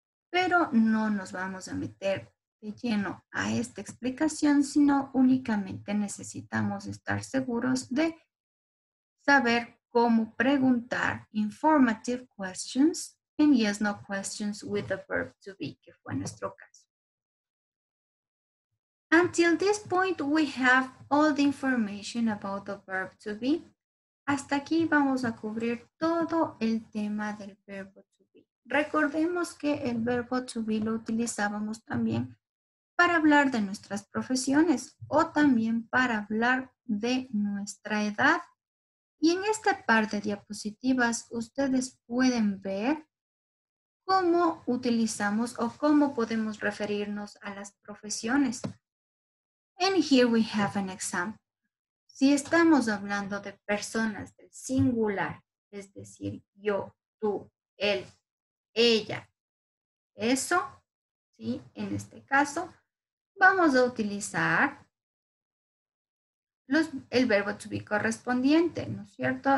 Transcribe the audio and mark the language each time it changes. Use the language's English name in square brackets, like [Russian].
[Spanish] Pero no nos vamos a meter de lleno a esta explicación, sino únicamente necesitamos estar seguros de saber cómo preguntar [English] informative questions and yes, no questions with the verb to be, [Spanish] que fue nuestro caso. [English] Until this point, we have all the information about the verb to be. [Spanish] Hasta aquí vamos a cubrir todo el tema del verbo to be. Recordemos que el verbo to be lo utilizábamos también para hablar de nuestras profesiones o también para hablar de nuestra edad. Y en esta par de diapositivas ustedes pueden ver cómo utilizamos o cómo podemos referirnos a las profesiones. [English] And here we have an example. [Spanish] Si estamos hablando de personas del singular, es decir, yo, tú, él, ella, eso, ¿sí? En este caso, vamos a utilizar el verbo to be correspondiente, ¿no es cierto?